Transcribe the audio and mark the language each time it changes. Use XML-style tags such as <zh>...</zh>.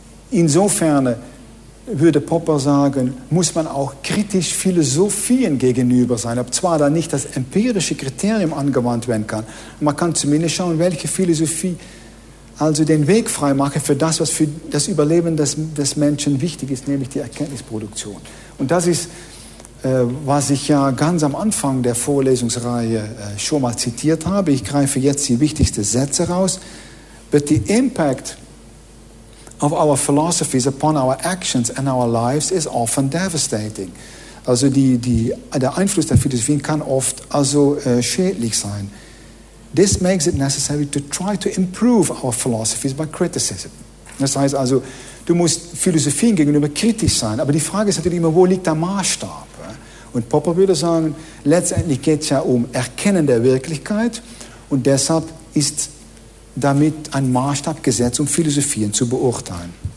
<de>Insofern würde Popper sagen, muss man auch kritisch Philosophien gegenüber sein, ob zwar da nicht das empirische Kriterium angewandt werden kann, man kann zumindest schauen, welche Philosophie also den Weg frei mache für das, was für das Überleben des Menschen wichtig ist, nämlich die Erkenntnisproduktion. Und das ist, was ich ja ganz am Anfang der Vorlesungsreihe schon mal zitiert habe. Ich greife jetzt die wichtigsten Sätze raus.</de> <en>But the impact of our philosophies upon our actions and our lives is often devastating.</en> <de>Also der Einfluss der Philosophien kann oft also schädlich sein.</de> <en>This makes it necessary to try to improve our philosophies by criticism.</en> <de>Das heißt also, du musst Philosophien gegenüber kritisch sein. Aber die Frage ist natürlich immer, wo liegt der Maßstab? Und Popper würde sagen, letztendlich geht es ja um Erkennen der Wirklichkeit und deshalb ist damit ein Maßstab gesetzt, um Philosophien zu beurteilen.</de>